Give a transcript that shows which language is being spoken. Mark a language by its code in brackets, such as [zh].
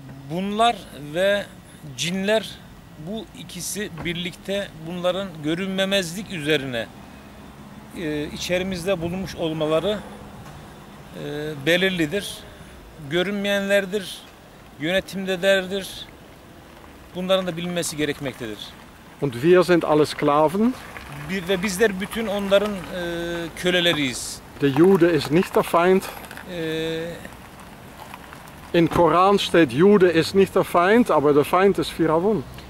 [tr] Bunlar ve cinler, bu ikisi birlikte bunların görünmemezlik üzerine içerimizde bulunmuş olmaları belirlidir. Görünmeyenlerdir, yönetimdedirler. Bunların da bilinmesi gerekmektedir. [de] Und wir sind alle Sklaven. [tr] Ve bizler bütün onların köleleriyiz. [de] Der Jude ist nicht der Feind. In Koran steht Jude ist nicht der Feind, aber der Feind ist Firavun.